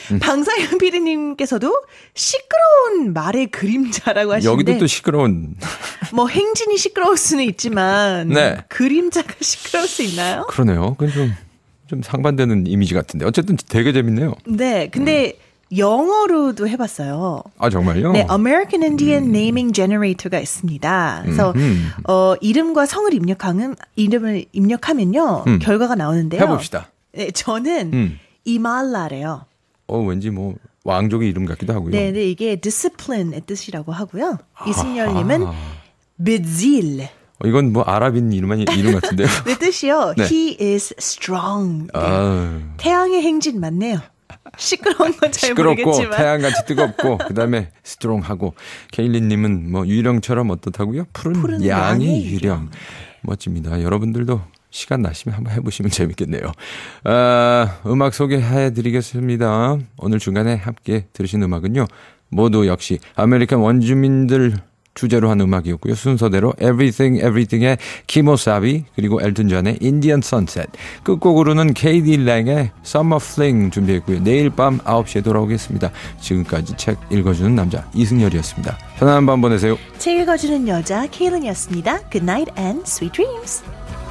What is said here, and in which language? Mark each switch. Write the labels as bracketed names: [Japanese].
[Korean] 방상현 PD님께서도 시끄러운 말의 그림자라고 하시는데 여기도 또 시끄러운. 뭐 행진이 시끄러울 수는 있지만 네. 그림자가 시끄러울 수 있나요? 그러네요. 그건 좀 상반되는 이미지 같은데 어쨌든 되게 재밌네요. 네, 근데 영어로도 해봤어요. 아, 정말요? 네, American Indian Naming Generator가 있습니다. 그래서 이름과 성을 입력하면요 결과가 나오는데요. 해봅시다. 네, 저는 이말라래요. 어, 왠지 뭐 왕족의 이름 같기도 하고요. 네, 네, 이게 discipline의 뜻이라고 하고요. 이승열님은 Bizil. 이건 뭐 아랍인 이름 같은데요. 네, 뜻이요. 네. [English] He is strong. [Korean] 네. 태양의 행진 맞네요. 시끄러운 건 잘 모르겠지만. 시끄럽고 태양같이 뜨겁고 그다음에 스트롱하고. 케일리님은 뭐 유령처럼 어떻다고요? 푸른 양이 유령. 멋집니다. 여러분들도 시간 나시면 한번 해보시면 재밌겠네요. 아, 음악 소개해드리겠습니다. 오늘 중간에 함께 들으신 음악은요. 모두 역시 아메리칸 원주민들 주제로 한 음악이었고요. 순서대로 Everything Everything의 키모사비 그리고 엘튼 존의 Indian Sunset. 끝곡으로는 KD Lang의 Summer Fling 준비했고요. 내일 밤 9시에 돌아오겠습니다. 지금까지 책 읽어주는 남자 이승열이었습니다. 편안한 밤 보내세요. 책 읽어주는 여자 케일린이었습니다. [English] Good night and sweet dreams.